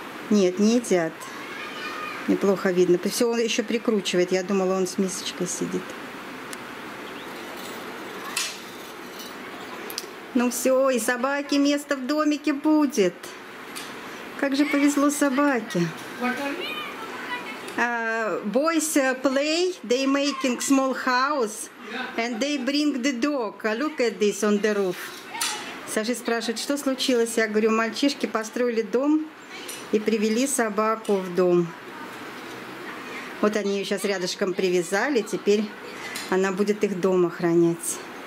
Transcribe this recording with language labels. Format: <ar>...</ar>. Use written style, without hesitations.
<ru>Нет, не едят. Неплохо видно. Все, он еще прикручивает. Я думала, он с мисочкой сидит. Ну все, и собаке место в домике будет. Как же повезло собаке.</ru> <en>Boys play, they making small house, and they bring the dog. Look at this on the roof.</en> <ru>Саша спрашивает, что случилось? Я говорю, мальчишки построили дом и привели собаку в дом. Вот они ее сейчас рядышком привязали, теперь она будет их дом охранять.</ru>